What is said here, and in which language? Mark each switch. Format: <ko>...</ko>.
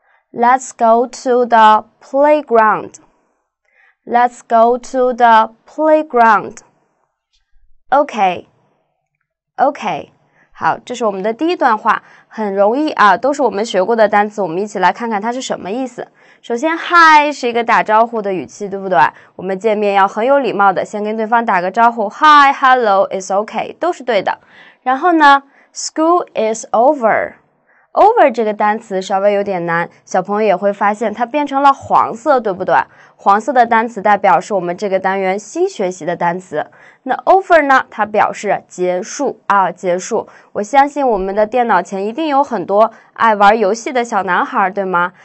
<en>Let's go to the playground. Let's go to the playground. OK, OK.</en> <zh>好，这是我们的第一段话，很容易啊，都是我们学过的单词，我们一起来看看它是什么意思。首先 ,hi 是一个打招呼的语气，对不对？我们见面要很有礼貌的先跟对方打个招呼 , hi, hello, it's okay, 都是对的。然后呢 , school is over。 over 这个单词稍微有点难，小朋友也会发现它变成了黄色，对不对？黄色的单词代表是我们这个单元新学习的单词。那 over 呢，它表示结束啊，结束。我相信我们的电脑前一定有很多爱玩游戏的小男孩，对吗？</zh>